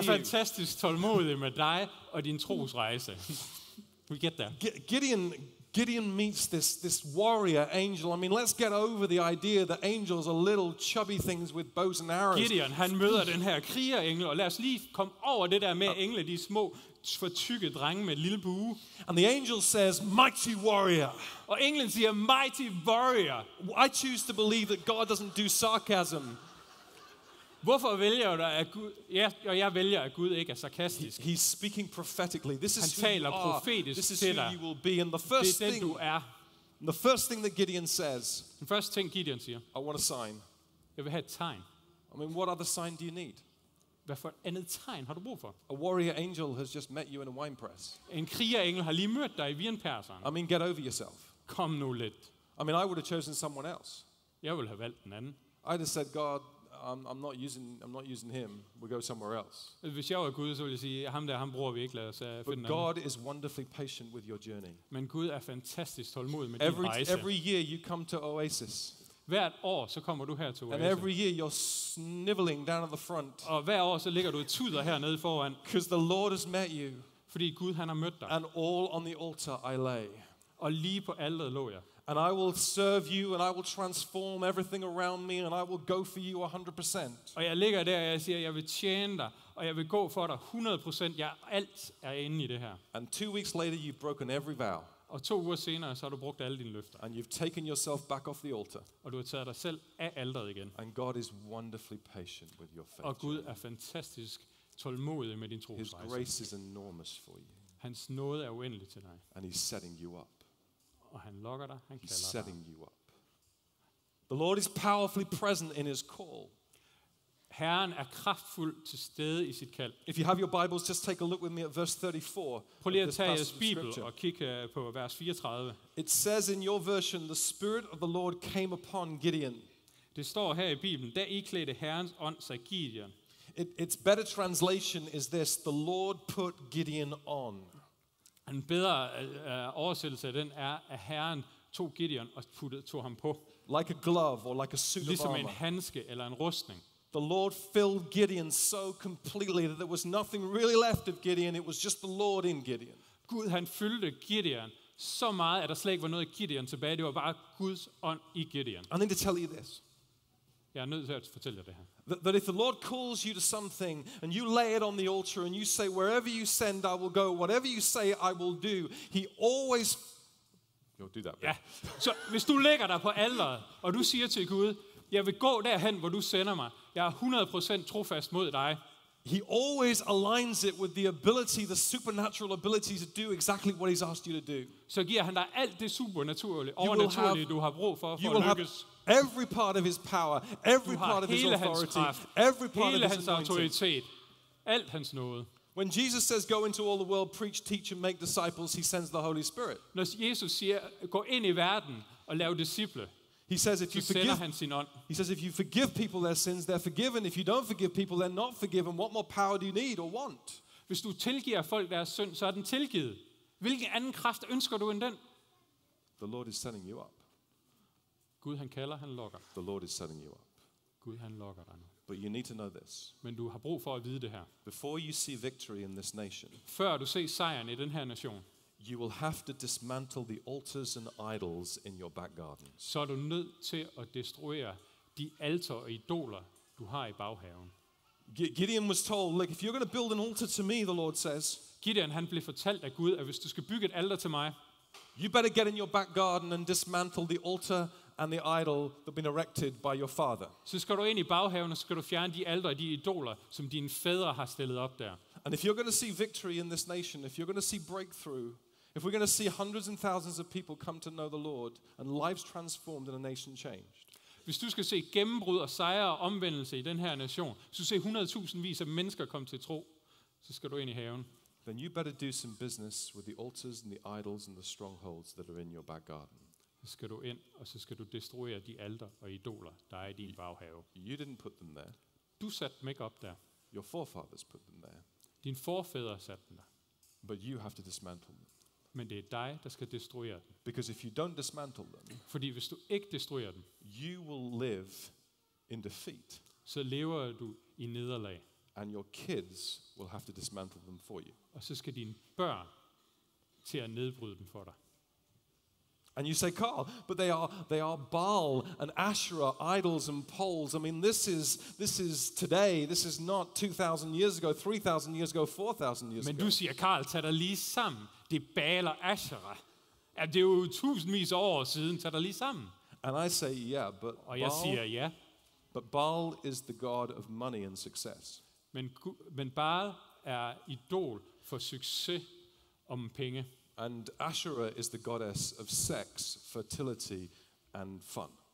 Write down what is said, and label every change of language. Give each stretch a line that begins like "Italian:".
Danish: Han er fantastisk tålmodig med dig og din trosrejse.
English: We get that. Gideon meets this warrior angel. I mean, let's get over the idea that angels are little chubby things with bows and arrows.
Danish: Gideon, han møder den her krigerengel, og lad os lige komme over det der med engle, de små for tykke drenge med lille bue.
English: And the angel says, mighty warrior.
Danish: Og englen siger,
English: mighty warrior. I choose to believe that God doesn't do sarcasm.
Danish: Hvorfor vælger du, at Gud, ja, og jeg vælger, at Gud ikke er sarkastisk.
English: He's speaking prophetically. This is
Danish: Han taler profetisk
English: this is
Danish: til dig.
English: You will be. And the first
Danish: det er den, du er.
English: The first thing that Gideon says,
Danish: den første ting, Gideon siger,
English: I want a sign.
Danish: Jeg vil have et tegn.
English: I mean, what other sign do you need?
Danish: Hvad for andet tegn har du brug for?
English: A warrior angel has just met you in a wine press.
Danish: En krigerengel har lige mødt dig i vinpærseren.
English: I mean, get over yourself.
Danish: Kom nu lidt.
English: I mean, I would have chosen someone else.
Danish: Jeg ville have valgt en anden.
English: I'd have said, God, I'm not using him. We'll go somewhere else.
Danish: Hvis jeg var Gud, så ville jeg sige, ham der, ham bruger vi ikke. Lad os finde
English: But God is wonderfully patient with your journey.
Danish: Men Gud er fantastisk tålmodig med
English: every,
Danish: din rejse.
English: Every year you come to Oasis.
Danish: Hvert år så kommer du her til Oasis.
English: And every year you're sniveling down at the front.
Danish: Og hver år så ligger du et tuder her nede foran.
English: Because the Lord has met you.
Danish: Fordi Gud han har mødt dig.
English: And all on the altar I lay.
Danish: Og lige på alteret lå jeg.
English: And I will serve you, and I will transform everything around me, and I will go for you 100%.
Danish: Og jeg ligger der, og jeg siger, jeg vil tjene dig, og jeg vil gå for dig 100%. Jeg alt er inde i det her.
English: And 2 weeks later, you've broken every vow.
Danish: Og 2 uger senere, så har du brugt alle dine løfter.
English: And you've taken yourself back off the altar.
Danish: Og du har taget dig selv af alteret igen.
English: And God is wonderfully patient with your faith.
Danish: Og Gud er fantastisk tålmodig med din trosrejse.
English: His grace is enormous for you.
Danish: Hans nåde er uendelig til dig.
English: And he's setting you up.
Danish: Og han lokker dig, han kalder dig.
English: He's setting you up. The Lord is powerfully present in his call.
Danish: Herren er kraftfuld til stede i sit kald.
English: If you have your Bibles, just take a look with me at verse 34.
Danish: Prøv lige at tage Bibel og kigge på vers 34.
English: It says in your version, the Spirit of the Lord came upon Gideon.
Danish: Det står her i Bibelen, da iklædte Herrens ånd sig Gideon.
English: Its better translation is this, the Lord put Gideon on.
Danish: En bedre oversættelse af den er, at Herren tog Gideon og tog ham på.
English: Like a glove or like a suit
Danish: ligesom
English: of armor.
Danish: Ligesom en handske eller en rustning.
English: The Lord filled Gideon so completely that there was nothing really left of Gideon. It was just the Lord in Gideon.
Danish: Gud han fyldte Gideon så meget, at der slet ikke var noget af Gideon tilbage. Det var bare Guds ånd i Gideon.
English: I need to tell you this.
Danish: Jeg er nødt til at fortælle jer det her.
English: That if the Lord calls you to something and you lay it on the altar and you say, wherever you send, I will go. Whatever you say, I will do. He always... You'll do that.
Danish: Ja. Så hvis du lægger dig på alderet, og du siger til Gud, jeg vil gå derhen, hvor du sender mig. Jeg er 100% trofast mod dig.
English: He always aligns it with the ability, the supernatural ability to do exactly what he's asked you to do.
Danish: Så giver han dig alt det supernaturlige, overnaturlige, du har brug for at lykkes.
English: Every part of his power, every part of his authority,
Danish: kraft,
English: every part
Danish: hele
English: of his
Danish: autoritet, alt hans nåde.
English: When Jesus says, "Go into all the world, preach, teach, and make disciples," he sends the Holy Spirit.
Danish: Når Jesus siger, "Gå ind i verden og lav disciple,"
English: he says, "If you forgive,"
Danish: han sin ånd.
English: He says, "If you forgive people their sins, they're forgiven. If you don't forgive people, they're not forgiven. What more power do you need or want?"
Danish: Hvis du tilgiver folk deres synd, så er den tilgivet. Hvilken anden kraft ønsker du end den?
English: The Lord is setting you up.
Danish: Gud han kalder, han lokker.
English: The Lord is setting you up.
Danish: Gud han lokker dig nu.
English: But you need to know this.
Danish: Men du har brug for at vide det her.
English: Before you see victory in this nation.
Danish: Før du ser sejren i den her nation.
English: You will have to dismantle the altars and idols in your back garden.
Danish: Så er du nødt til at destruere de alter og idoler du har i baghaven.
English: Gideon was told, "Look, if you're going to build an altar to me," the Lord says.
Danish: Gideon han blev fortalt af Gud, at hvis du skal bygge et alter til mig,
English: you better get in your back garden and dismantle the altar and the idol that have been erected by your father.
Danish: Så skal du ind i baghaven, og skal du fjerne de alter og de idoler, som dine fædre har stillet op der.
English: And if you're going to see victory in this nation, if you're going to see breakthrough, If we're going to see hundreds and thousands of people come to know the Lord and lives transformed and a nation changed.
Danish: Hvis du skal se gennembrud og sejre og omvendelse i den her nation, så se 100.000 vis af mennesker komme til tro, så skal du ind i haven.
English: Then you better do some business with the altars and the idols and the strongholds that are in your back garden.
Danish: Så skal du ind og så skal du destruere de alter og idoler der er i din baghave.
English: You didn't put them there.
Danish: Du satte dem ikke op der.
English: Your forefathers put them there.
Danish: Din forfædre satte dem der.
English: But you have to dismantle them.
Danish: Men det er dig der skal destruere dem.
English: Because if you don't dismantle them,
Danish: fordi hvis du ikke destruerer dem,
English: you will live in defeat.
Danish: Så lever du i nederlag.
English: And your kids will have to dismantle them for you.
Danish: Og så skal dine børn til at nedbryde dem for dig.
English: And you say, Carl, but they are Baal and Asherah, idols and poles. I mean, this is today. This is not 2,000 years ago, 3,000 years ago, 4,000 years ago.
Danish: Men du siger, Carl, tag dig lige sammen. Det er Baal og Asherah. Ja, det er jo tusindvis af år siden. Tag dig lige sammen.
English: And I say, yeah, but
Danish: Baal. Og jeg siger, ja.
English: But Baal is the god of money and success.
Danish: Men Baal er idol for succes om penge.
English: And Asherah is the goddess of sex, fertility, and fun.